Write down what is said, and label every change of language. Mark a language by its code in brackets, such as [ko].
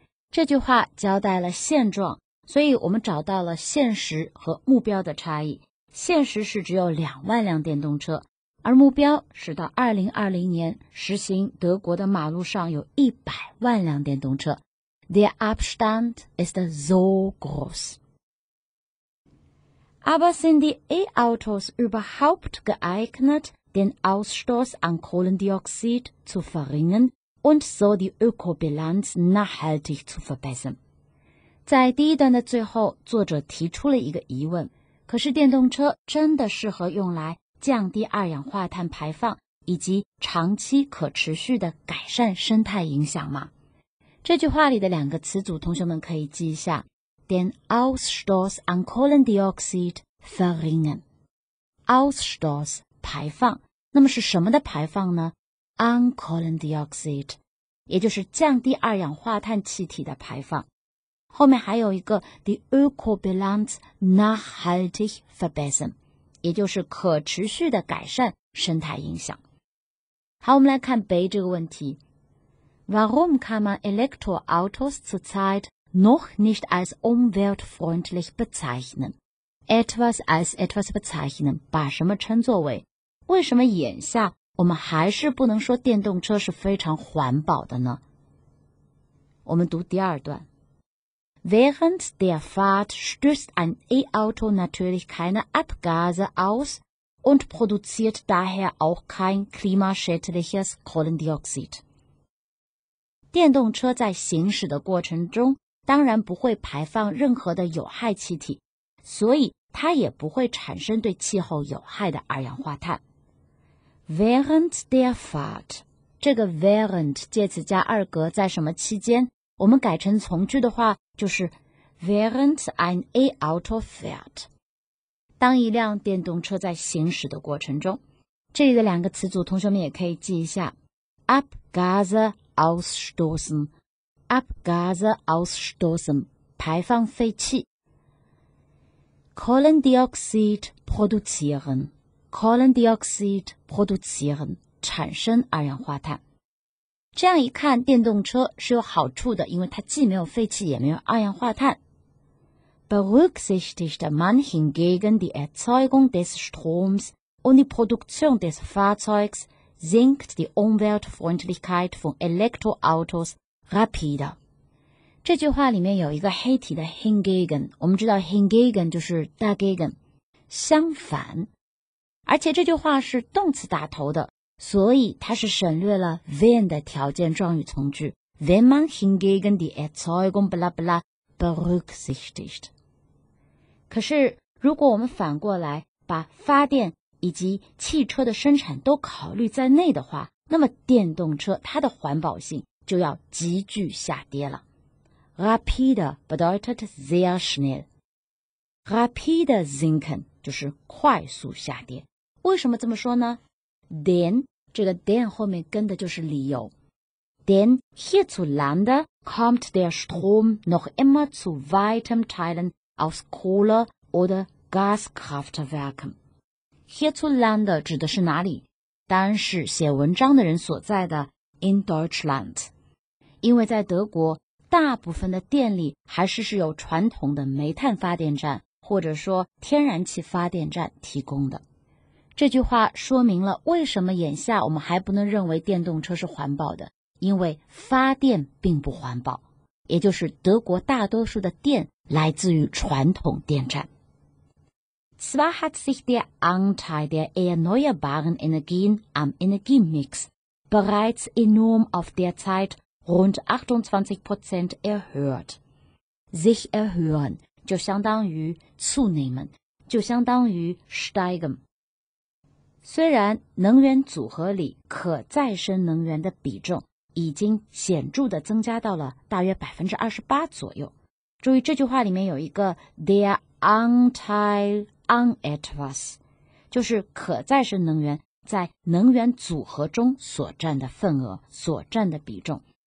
[zh] 这句话交代了现状，所以我们找到了现实和目标的差异。现实是只有20,000辆电动车，而目标是到2020年实行德国的马路上有100万辆电动车。 [de] Der Abstand ist so groß. Aber sind die E-Autos überhaupt geeignet, den Ausstoß an Kohlendioxid zu verringern und so die Ökobilanz nachhaltig zu verbessern? [zh] 在第一段的最后，作者提出了一个疑问：可是电动车真的适合用来降低二氧化碳排放以及长期可持续的改善生态影响吗？这句话里的两个词组同学们可以记一下， [de] den Ausstoß an Kohlendioxid verringern。 [zh] Ausstoß 排放，那么是什么的排放呢？ [de] an Kohlendioxid [zh] 也就是降低二氧化碳气体的排放。后面还有一个 [de] die Ökobilanz nachhaltig verbessern， [zh] 也就是可持续的改善生态影响。好，我们来看 B 这个问题。 [de] Warum kann man Elektroautos zurzeit noch nicht als umweltfreundlich bezeichnen? Etwas als etwas bezeichnen, [zh] 把什么称作为？为什么眼下我们还是不能说电动车是非常环保的呢？我们读第二段。 [de] Während der Fahrt stößt ein E-Auto natürlich keine Abgase aus und produziert daher auch kein klimaschädliches Kohlendioxid. [zh] 电动车在行驶的过程中当然不会排放任何的有害气体，所以它也不会产生对气候有害的二氧化碳。 [de] Während der Fahrt， [zh] 这个 während 介词加二格在什么期间，我们改成从句的话就是 [de] Während ein E-Auto fährt， [zh] 当一辆电动车在行驶的过程中。这里的两个词组同学们也可以记一下， [de] Abgase ausstoßen， Abgase ausstoßen， [zh] 排放废气。 [de] Kohlendioxid produzieren， Kohlendioxid produzieren， [zh] 产生二氧化碳。这样一看，电动车是有好处的，因为它既没有废气，也没有二氧化碳。 [de] Berücksichtigt man hingegen die Erzeugung des Stroms und die Produktion des Fahrzeugs, sinkt die Umweltfreundlichkeit von Elektroautos rapide。 [zh] 这句话里面有一个黑体的 hingegen， 我们知道 hingegen 就是 dagegen， 相反，而且这句话是动词打头的，所以它是省略了 wenn 的条件状语从句 [de] wenn man hingegen die Erzeugung blah blah berücksichtigt。 [zh] 可是如果我们反过来把发电以及汽车的生产都考虑在内的话，那么电动车它的环保性就要急剧下跌了。 [de] Rapide bedeutet sehr schnell. Rapide sinken [zh] 就是快速下跌。为什么这么说呢？ Denn 这个 denn 后面跟的就是理由。 [de] Denn hierzulande kommt der Strom noch immer zu weiten Teilen aus Kohle oder Gaskraftwerken. [zh] Hierzulande 指的是哪里？当然是写文章的人所在的 [de] in Deutschland. [zh] 因为在德国，大部分的电力还是由传统的煤炭发电站或者说天然气发电站提供的。这句话说明了为什么眼下我们还不能认为电动车是环保的，因为发电并不环保，也就是德国大多数的电来自于传统电站。 [de] Zwar hat sich der Anteil der erneuerbaren Energien am Energiemix bereits enorm auf der Zeit rund 28% erhöht. Sich erhöhen [zh] 就相当于zunehmen， 就相当于 steigen。虽然能源组合里可再生能源的比重已经显著地增加到了大约 28% 左右，注意这句话里面有一个 [de] der Anteil an etwas， [zh] 就是可再生能源在能源组合中所占的份额，所占的比重。